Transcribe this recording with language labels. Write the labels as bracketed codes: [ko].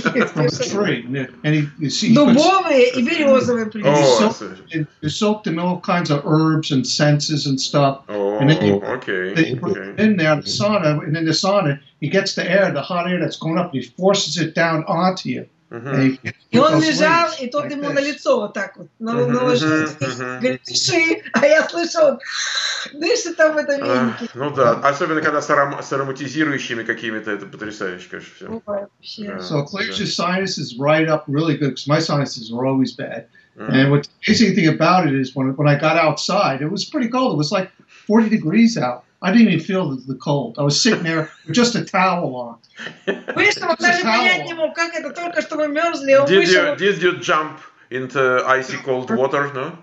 [en] From a tree. And you see. [ru] Дубовые и березовые плюс. Oh, [en] you soaked in all kinds of herbs and scents and stuff. Oh, and then in there, the sauna, and in the sauna, he gets the air, the hot air that's going up, and he forces it down onto you. [ru] И он лежал, и тот ему на лицо вот так вот наложился, говорит: дыши, а я слышал, дышит там в этом венике. Ну да, особенно когда с ароматизирующими какими-то, это потрясающе, конечно, все. [en] So, clears your sinuses right up really good, because my sinuses were always bad. And what the amazing thing about it is, when I got outside, it was pretty cold, it was like 40 degrees out. I didn't even feel the cold. I was sitting there with just a towel on. Did you jump into icy cold water, no?